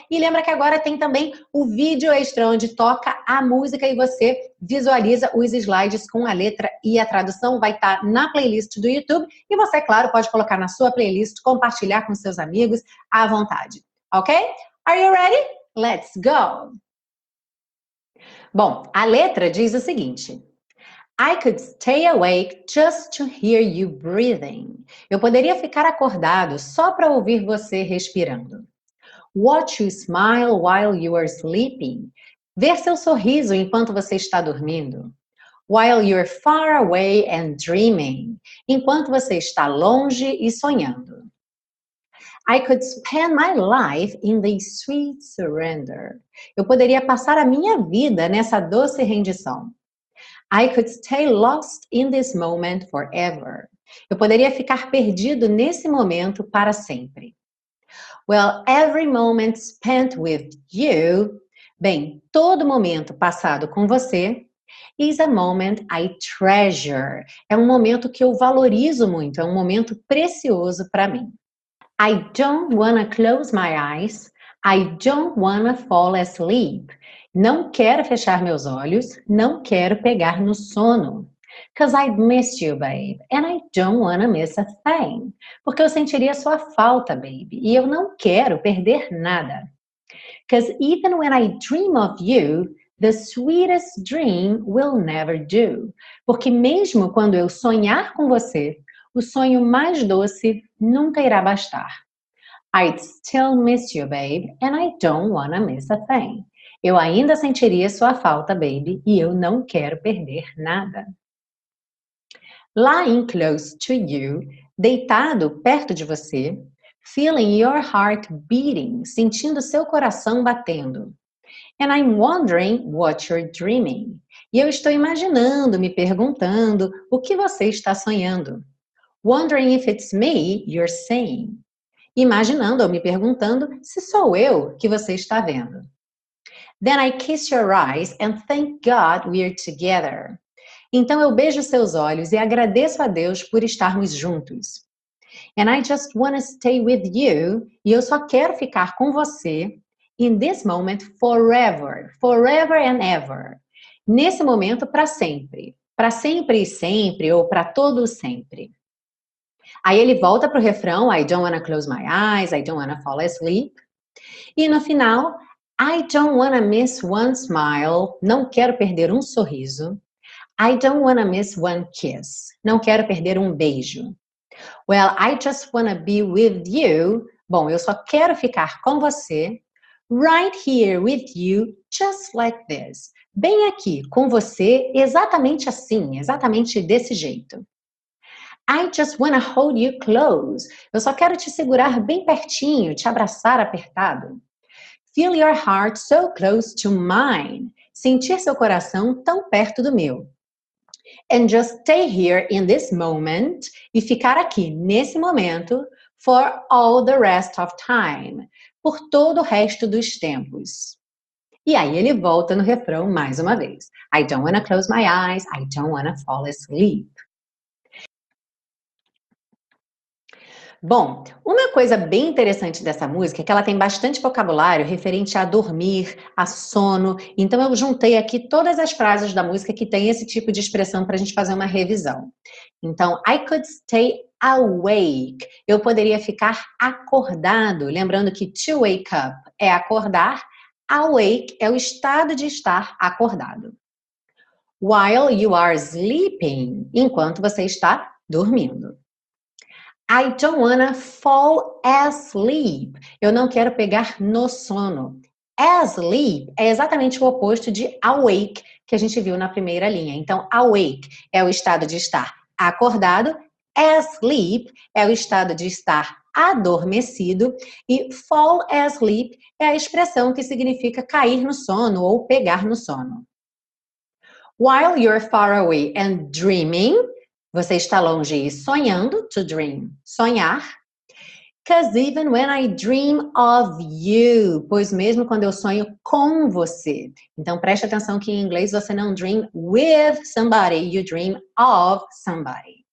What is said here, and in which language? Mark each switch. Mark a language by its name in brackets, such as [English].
[Portuguese] E lembra que agora tem também o vídeo extra onde toca a música e você visualiza os slides com a letra e a tradução. Vai estar na playlist do YouTube e você, claro, pode colocar na sua playlist, compartilhar com seus amigos à vontade. Ok? [English] Are you ready? Let's go! [Portuguese] Bom, a letra diz o seguinte. [English] I could stay awake just to hear you breathing. [Portuguese] Eu poderia ficar acordado só para ouvir você respirando. [English] Watch you smile while you are sleeping. [Portuguese] Ver seu sorriso enquanto você está dormindo. [English] While you're far away and dreaming. [Portuguese] Enquanto você está longe e sonhando. [English] I could spend my life in the sweet surrender. [Portuguese] Eu poderia passar a minha vida nessa doce rendição. [English] I could stay lost in this moment forever. [Portuguese] Eu poderia ficar perdido nesse momento para sempre. [English] Well, every moment spent with you, [Portuguese] bem, todo momento passado com você, [English] is a moment I treasure. [Portuguese] É um momento que eu valorizo muito, é um momento precioso para mim. [English] I don't wanna close my eyes. I don't wanna fall asleep. [Portuguese] Não quero fechar meus olhos, não quero pegar no sono. [English] Cause I'd miss you, babe, and I don't wanna miss a thing. [Portuguese] Porque eu sentiria sua falta, baby, e eu não quero perder nada. [English] Cause even when I dream of you, the sweetest dream will never do. [Portuguese] Porque mesmo quando eu sonhar com você, o sonho mais doce nunca irá bastar. [English] I'd still miss you, babe, and I don't wanna miss a thing. [Portuguese] Eu ainda sentiria sua falta, baby, e eu não quero perder nada. [English] Lying close to you, [Portuguese] deitado perto de você, [English] feeling your heart beating, [Portuguese] sentindo seu coração batendo. [English] And I'm wondering what you're dreaming. [Portuguese] E eu estou imaginando, me perguntando, o que você está sonhando. [English] Wondering if it's me you're seeing. [Portuguese] Imaginando ou me perguntando se sou eu que você está vendo. [English] Then I kiss your eyes and thank God we're together. [Portuguese] Então eu beijo seus olhos e agradeço a Deus por estarmos juntos. [English] And I just wanna stay with you. [Portuguese] E eu só quero ficar com você [English] in this moment forever. Forever and ever. [Portuguese] Nesse momento, para sempre. Para sempre e sempre, ou para todo sempre. Aí ele volta pro refrão, [English] I don't wanna close my eyes, I don't wanna fall asleep. [Portuguese] E no final, [English] I don't wanna miss one smile. [Portuguese] Não quero perder um sorriso. [English] I don't want to miss one kiss. [Portuguese] Não quero perder um beijo. [English] Well, I just want to be with you. [Portuguese] Bom, eu só quero ficar com você. [English] Right here with you, just like this. [Portuguese] Bem aqui, com você, exatamente assim, exatamente desse jeito. [English] I just want to hold you close. [Portuguese] Eu só quero te segurar bem pertinho, te abraçar apertado. [English] Feel your heart so close to mine. [Portuguese] Sentir seu coração tão perto do meu. [English] And just stay here in this moment. [Portuguese] E ficar aqui, nesse momento, [English] for all the rest of time. [Portuguese] Por todo o resto dos tempos. E aí ele volta no refrão mais uma vez. [English] I don't want to close my eyes. I don't want to fall asleep. [Portuguese] Bom, uma coisa bem interessante dessa música é que ela tem bastante vocabulário referente a dormir, a sono. Então, eu juntei aqui todas as frases da música que tem esse tipo de expressão para a gente fazer uma revisão. Então, [English] I could stay awake. [Portuguese] Eu poderia ficar acordado. Lembrando que to wake up é acordar. Awake é o estado de estar acordado. [English] While you are sleeping. [Portuguese] Enquanto você está dormindo. [English] I don't wanna fall asleep. [Portuguese] Eu não quero pegar no sono. Asleep é exatamente o oposto de awake que a gente viu na primeira linha. Então, awake é o estado de estar acordado. Asleep é o estado de estar adormecido. E fall asleep é a expressão que significa cair no sono ou pegar no sono. [English] While you're far away and dreaming. [Portuguese] Você está longe e sonhando, to dream, sonhar. [English] Because even when I dream of you, [Portuguese] pois mesmo quando eu sonho com você. Então, preste atenção que em inglês você não [English] dream with somebody, you dream of somebody.